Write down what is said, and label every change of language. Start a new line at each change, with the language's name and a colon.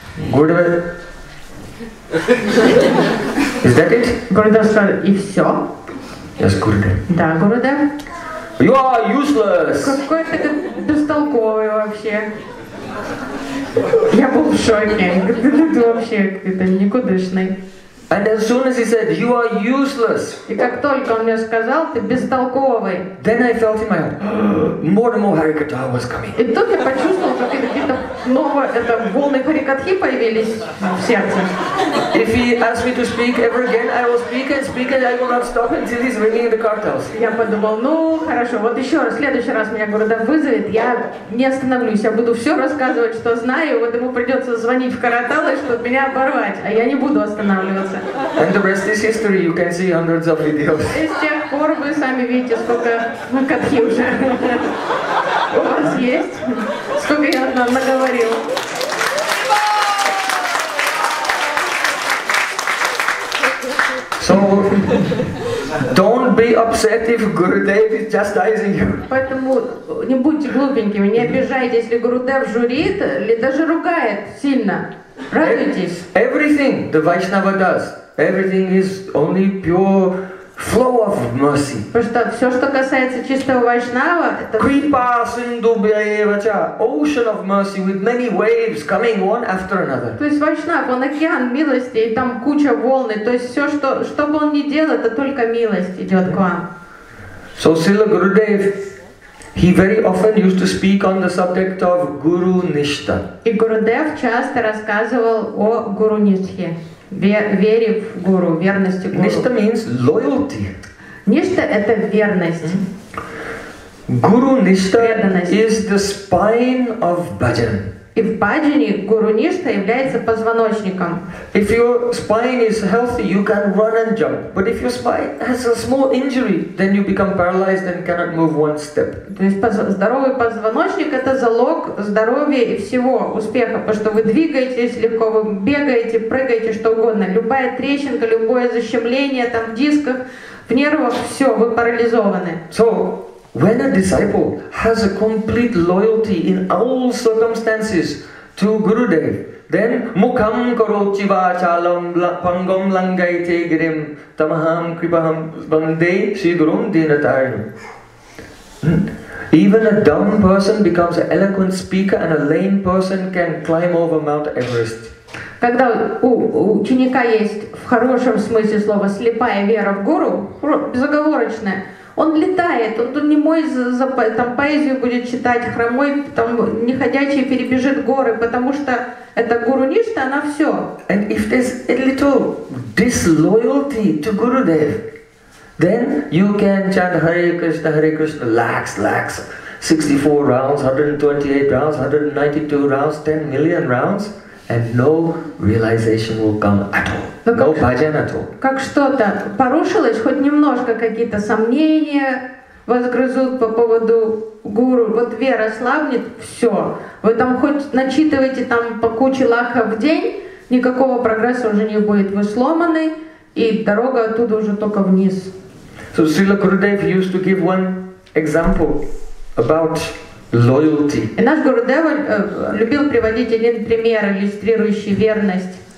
English: Гурдева. Is that it?
Russian: Гурдева сказал, и все.
English: Yes, Гурдева.
Russian: Да, Гурдева.
English: You are useless!
Russian: Какой ты бестолковый вообще. Я был в шоке. Ты вообще какой-то никудышный.
English: And as soon as he said, you are useless!
Russian: И как только он мне сказал, ты бестолковый.
English: Then I felt in my heart, more and more Харикатха was coming.
Russian: И тут я почувствовал, как какие-то новые это, волны Харикатхи появились в сердце.
English: If he asked me to speak ever again, I will speak and speak and I will not stop until he's ringing the cartels.
Russian: Я подумал, ну хорошо, вот еще раз, в следующий раз меня Гурудев вызовет, я не остановлюсь, я буду все рассказывать, что знаю, вот ему придется звонить в карателы, чтобы меня оборвать, а я не буду останавливаться.
English: And the rest is history, you can see hundreds of videos.
Russian: И с тех пор вы сами видите, сколько мы катхи уже у вас есть, сколько я нам наговорил.
English: So, don't be upset if Gurudev is chastising you.
Russian: Поэтому не будьте глупенькими, не обижайтесь, если Гурудев журит или даже ругает сильно. Радуйтесь.
English: Everything the Vaishnava does, everything is only pure flow of mercy.
Russian: Потому что все, что касается чистого Вайшнава, это...
Sanskrit: Kripa Sindhu Bhayavacha,
English: ocean of mercy with many waves coming one after another.
Russian: То есть Вайшнав, он океан милости, и там куча волн. То есть все, что бы он ни делал, это только милость идет к вам.
English: So Srila Gurudev, he very often used to speak on the subject of Guru Nishtha.
Russian: И Гурудев часто рассказывал о Гуру Ништхе. Вере в гуру, верности гуру.
English: Ништа means loyalty.
Russian: Ништа – это верность.
English: Гуру ништа is the spine of bhajan.
Russian: И в баджане гуру ништа является позвоночником.
English: If your spine is healthy, you can run and jump. But if your spine has a small injury, then you become paralyzed and cannot move one step.
Russian: То есть здоровый позвоночник – это залог здоровья и всего успеха, потому что вы двигаетесь легко, вы бегаете, прыгаете, что угодно. Любая трещинка, любое защемление там в дисках, в нервах – все, вы парализованы.
English: So, when a disciple has a complete loyalty in all circumstances to Gurudev, then
Sanskrit: mukham karoti vachalam pangam langaite girim tamaham kripaham bande shri gurum dinatarnam.
English: Even a dumb person becomes an eloquent speaker, and a lame person can climb over Mount Everest.
Russian: Когда у ученика есть в хорошем смысле слова слепая вера в гуру, безоговорочная, он летает, он немой там поэзию будет читать, хромой, там неходячий перебежит горы, потому что это гуру ништа, она все.
English: And if there's a little disloyalty to Gurudev, then you can chant Hare Krishna, lax, lax, 64 rounds, 128 rounds, 192 rounds, 10 million rounds. And no realization will come at all. No bhajan at all.
Russian: Как что-то порушилось, хоть немножко какие-то сомнения возгрызут по поводу гуру. Вот вера слабнет, все. Вы там хоть начитываете там по куче лаха в день, никакого прогресса уже не будет. Вы сломаны, и дорога оттуда уже только вниз.
English: So Srila Gurudev used to give one example about loyalty.
Russian: И наш Гурудева любил приводить один пример, иллюстрирующий верность.